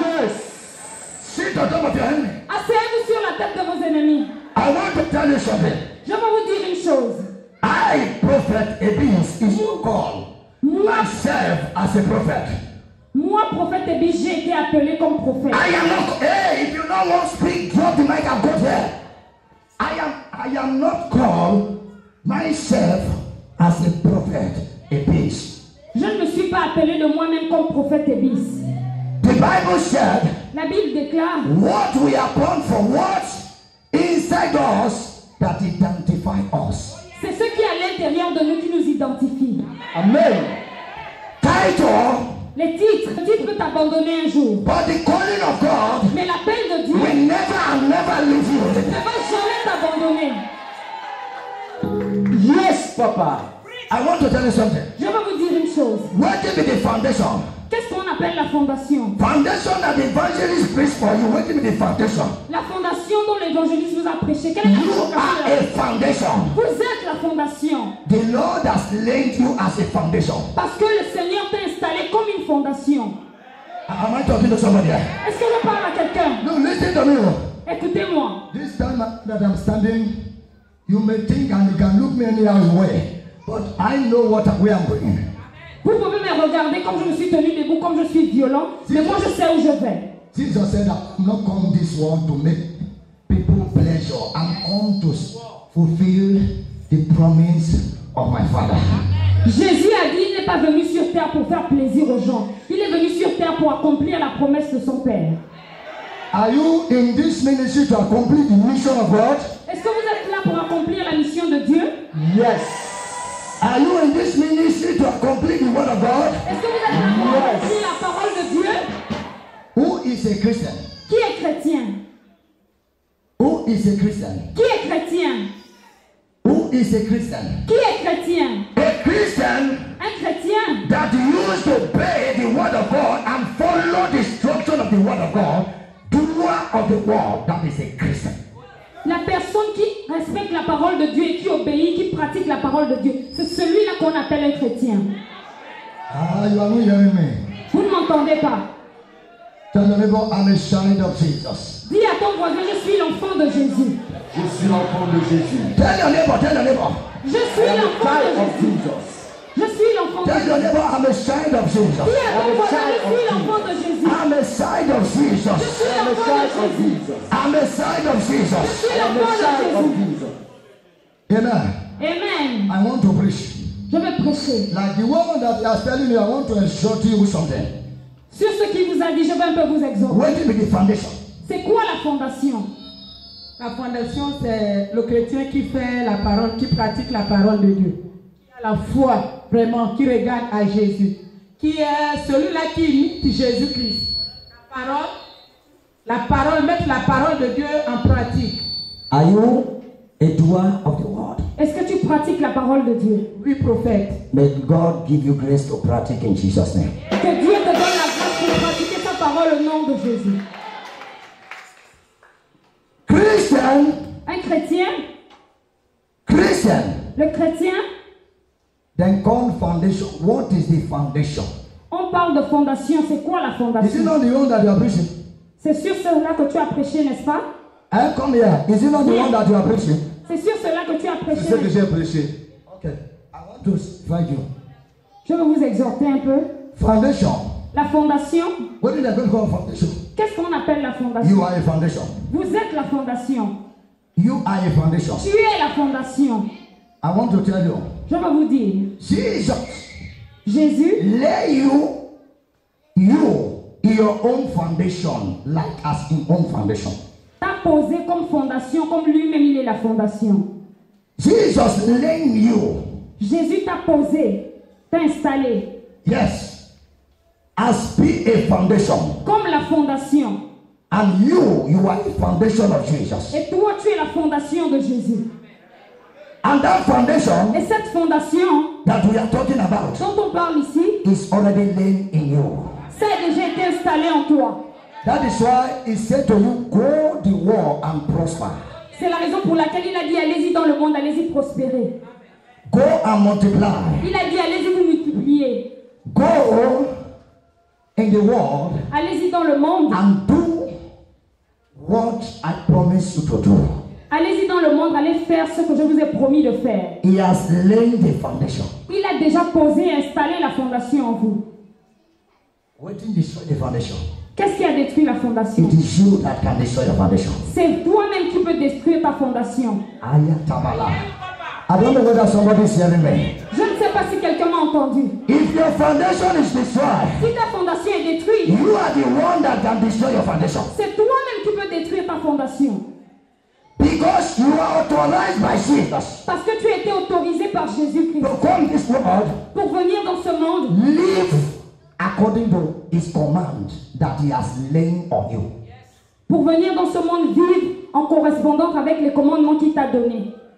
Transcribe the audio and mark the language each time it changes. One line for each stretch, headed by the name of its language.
French: Asseyez-vous sur la tête de vos ennemis.
English: I want to tell you something.
French: Je veux vous dire une chose.
English: I prophet Ebis is your call. Myself as a prophet.
French: Moi, prophète Ebis, j'ai été appelé comme prophète.
English: I am not. Hey, if you don't want to speak, drop the mic and go there. I am not called myself as a prophet Ebis.
French: Je ne me suis pas appelé de moi-même comme prophète Ebis.
English: The Bible said.
French: La Bible déclare,
English: what we are born for, what inside us that identify us.
French: C'est ce qui est à l'intérieur de nous qui nous identifie.
English: Amen. Title.
French: Le titre peut t'abandonner un jour.
English: But the calling of God.
French: Mais l'appel de Dieu.
English: Will never leave you.
French: Ne va jamais t'abandonner.
English: Yes, Papa. I want to tell you something.
French: Je veux vous dire une chose.
English: What will be the foundation?
French: Qu'est-ce qu'on appelle la fondation?
English: Foundation that the evangelist preached for you. What is the foundation?
French: La fondation dont l'évangéliste vous a prêché. Quelle est
English: you
French: la fondation?
English: You are a foundation.
French: Vous êtes la fondation.
English: The Lord has laid you as a foundation.
French: Parce que le Seigneur t'a installé comme une fondation.
English: Am I talking to somebody?
French: Est-ce que je parle à quelqu'un?
English: No, listen to me.
French: Écoutez-moi.
English: This time that I'm standing, you may think and you can look me any other way, but I know what where I'm going.
French: Vous pouvez me regarder comme je me suis tenu debout, comme je suis violent, mais moi je sais où je vais.
English: Jesus said, I'm not come this world to make people pleasure. I'm come to fulfill the promise of my Father.
French: Jésus a dit, il n'est pas venu sur terre pour faire plaisir aux gens. Il est venu sur terre pour accomplir la promesse de son Père.
English: Are you in this ministry to accomplish the mission of God?
French: Est-ce que vous êtes là pour accomplir la mission de Dieu?
English: Yes. Are you in this ministry to complete the word of God? Yes. Who is a Christian?
French: Qui est chrétien?
English: Who is a Christian?
French: Qui est chrétien?
English: Who is a Christian?
French: Qui est chrétien?
English: A Christian.
French: Un chrétien.
English: That used to obey the word of God and follow the instruction of the word of God, doer of the word, that is a Christian.
French: La personne qui respecte la parole de Dieu et qui obéit, qui pratique la parole de Dieu, c'est celui-là qu'on appelle un chrétien.
English: Ah, you are not hearing me.
French: Vous ne m'entendez pas.
English: Tell me, I'm a child of Jesus.
French: Dis à ton voisin, je suis l'enfant de Jésus. Je suis l'enfant de Jésus.
English: Tell me.
French: Dis à ton voisin, je suis l'enfant de Jésus.
English: I'm a side of Jesus. I'm a side of Jesus. I'm a side of Jesus. I'm a side of Jesus. Amen. I want to preach.
French: Je vais prêcher.
English: Like the woman that was telling you, I want to exhort you with something.
French: Sur ce qui vous a dit, je vais un peu vous exhorter.
English: What is the foundation?
French: C'est quoi la fondation? La fondation, c'est le chrétien qui fait la parole, qui pratique la parole de Dieu. Qui a la foi, vraiment, qui regarde à Jésus. Qui est celui-là qui imite Jésus-Christ. La parole, mettre la parole de Dieu en pratique.
English: Are you a doer of the word?
French: Est-ce que tu pratiques la parole de Dieu? Oui, prophète.
English: May God give you grace to practice in Jesus' name.
French: Que Dieu te donne la grâce pour pratiquer sa parole au nom de Jésus.
English: Christian.
French: Un chrétien.
English: Christian.
French: Le chrétien.
English: Then come foundation. What is the foundation?
French: On parle de fondation. C'est quoi la fondation?
English: Is it not the one that you are preaching?
French: C'est sur cela que tu as prêché, n'est-ce pas?
English: I come here. Is it not the one that you are preaching?
French: C'est sur cela que tu as prêché. C'est ce que j'ai prêché.
English: Okay. I want to invite you.
French: Je veux vous exhorter un peu.
English: Foundation.
French: La fondation.
English: What is that going to call foundation?
French: Qu'est-ce qu'on appelle la fondation?
English: You are a foundation.
French: Vous êtes la fondation.
English: You are a foundation.
French: Tu es la fondation.
English: I want to tell you.
French: Je vais vous dire.
English: Jesus.
French: Jésus.
English: Lay you in your own foundation, like as in own foundation.
French: T'a posé comme fondation, comme lui-même il est la fondation.
English: Jesus laying you.
French: Jésus t'a posé, t'a installé.
English: Yes. as being a foundation.
French: Comme la fondation.
English: And you are the foundation of Jesus.
French: Et toi, tu es la fondation de Jésus.
English: And that foundation,
French: et cette fondation
English: that we are talking about,
French: dont on parle ici,
English: is already laid in you.
French: C'est déjà été installé en toi.
English: That is why he said to you, go the world and prosper.
French: C'est la raison pour laquelle il a dit, allez-y dans le monde, allez-y prospérer.
English: Go and multiply.
French: Il a dit, allez-y vous multiplier.
English: Go in the world.
French: Allez-y dans le monde.
English: And do what I promised you to do.
French: Allez-y dans le monde, allez faire ce que je vous ai promis de faire.
English: He has laid the foundation.
French: Il a déjà posé, installé la fondation en vous.
English: What did he destroy the foundation?
French: Qu'est-ce qui a détruit la fondation?
English: It is you that can destroy the foundation.
French: C'est toi-même qui peux détruire ta fondation. Aya Tamala.
English: I don't know whether somebody is hearing me.
French: Je ne sais pas si quelqu'un m'a entendu.
English: If your foundation is destroyed,
French: si ta fondation est détruite,
English: you are the one that can destroy your foundation.
French: C'est toi-même qui peux détruire ta fondation.
English: Because you are authorized by Jesus.
French: Parce que tu as été autorisé par Jésus-Christ.
English: To come this world,
French: pour venir dans ce monde.
English: Live according to his command that he has laid on you.
French: Pour venir dans ce monde, vivre en correspondance avec les commandements qu'il t'a donnés.